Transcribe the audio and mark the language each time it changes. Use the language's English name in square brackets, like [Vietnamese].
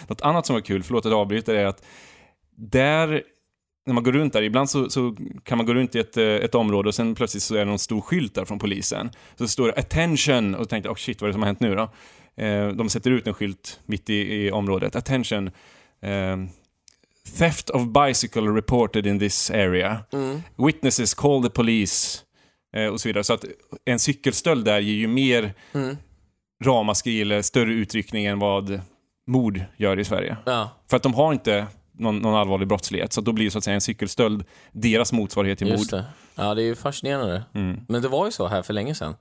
[Swedish] Något annat som var kul, förlåt att jag avbryter, är att där, när man går runt där, ibland så kan man gå runt i ett område och sen plötsligt så är det någon stor skylt där från polisen. Så står det attention och tänkte, [English] oh shit, [Swedish] vad är det som har hänt nu då? De sätter ut en skylt mitt i området. [English] Attention. Theft of bicycle reported in this area. Mm. Witnesses call the police. [Swedish] Och så vidare. Så att en cykelstöld där ger ju mer ramaskri eller större utryckning än vad mord gör i Sverige. Ja. För att de har inte någon allvarlig brottslighet. Så då blir så att säga en cykelstöld deras motsvarighet i mord. Just det. Ja, det är ju fascinerande. Mm. Men det var ju så här för länge sedan.